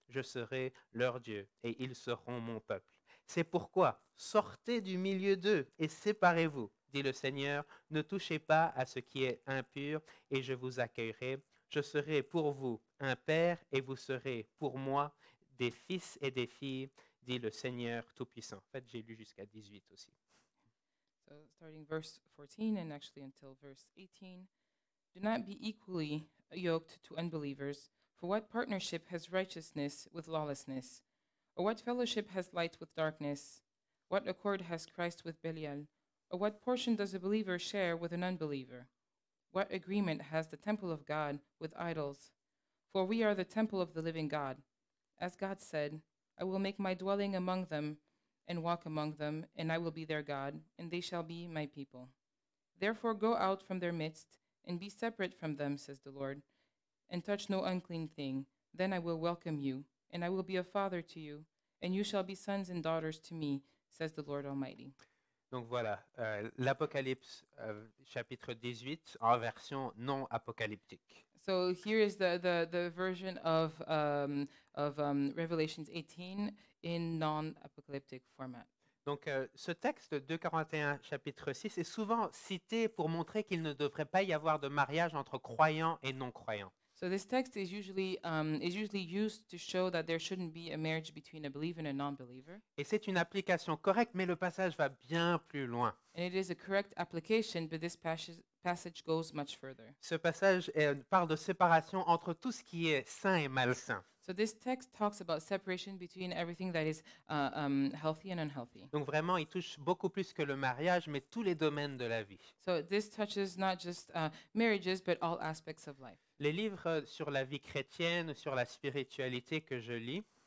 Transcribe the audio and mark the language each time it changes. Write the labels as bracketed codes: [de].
[fr] Je serai leur Dieu et ils seront mon peuple. C'est pourquoi, sortez du milieu d'eux et séparez-vous, dit le Seigneur. Ne touchez pas à ce qui est impur et je vous accueillerai. Je serai pour vous un père et vous serez pour moi des fils et des filles, dit le Seigneur Tout-Puissant. En fait, j'ai lu jusqu'à 18 aussi. [en] So, starting verse 14 and actually until verse 18. Do not be equally yoked to unbelievers, for what partnership has righteousness with lawlessness? Or what fellowship has light with darkness? What accord has Christ with Belial? Or what portion does a believer share with an unbeliever? What agreement has the temple of God with idols? For we are the temple of the living God. As God said, I will make my dwelling among them and walk among them, and I will be their God, and they shall be my people. Therefore go out from their midst and be separate from them, says the Lord, and touch no unclean thing. Then I will welcome you, and I will be a father to you, and you shall be sons and daughters to me, says the Lord Almighty. [fr] Donc voilà, l'Apocalypse, chapitre 18, en version non apocalyptique. [en] So here is the version of Revelation 18 in non-apocalyptic format. [fr] Donc ce texte, 2 Corinthiens chapitre 6, est souvent cité pour montrer qu'il ne devrait pas y avoir de mariage entre croyants et non-croyants. [en] So this text is usually used to show that there shouldn't be a marriage between a believer and a non-believer. [fr] Et c'est une application correcte, mais le passage va bien plus loin. [en] And it is a correct application, but this passage goes much further. [fr] Ce passage parle de séparation entre tout ce qui est sain et malsain. [en] So this text talks about separation between everything that is healthy and unhealthy. [fr] Donc vraiment, il touche beaucoup plus que le mariage, mais tous les domaines de la vie. [en] So this touches not just marriages, but all aspects of life. [fr] Les livres sur la vie chrétienne, sur la spiritualité que je lis.